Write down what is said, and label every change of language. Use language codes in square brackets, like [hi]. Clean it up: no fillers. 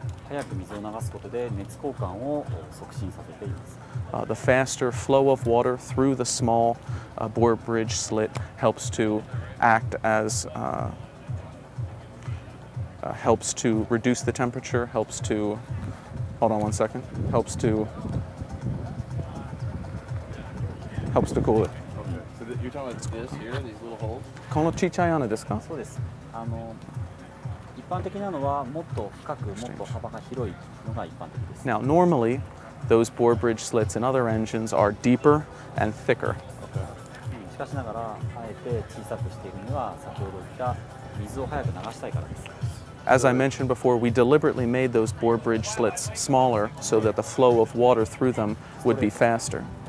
[en] The faster flow of water through the small bore bridge slit helps to act as helps to reduce the temperature, helps to hold on one second, helps to cool it. Okay. So you're talking about this here, these little holes? [ja] この小さい穴ですか? そうです。あの、一般的なのはもっと深く、もっと幅が広いのが一般的です。 [en] Now, normally, those bore bridge slits in other engines are deeper and thicker. Okay. [ja] しかしながら、あえて小さくしているのは先ほど言った水を早く流したいからです。 [en] As I mentioned before, we deliberately made those bore bridge slits smaller so that the flow of water through them would be faster.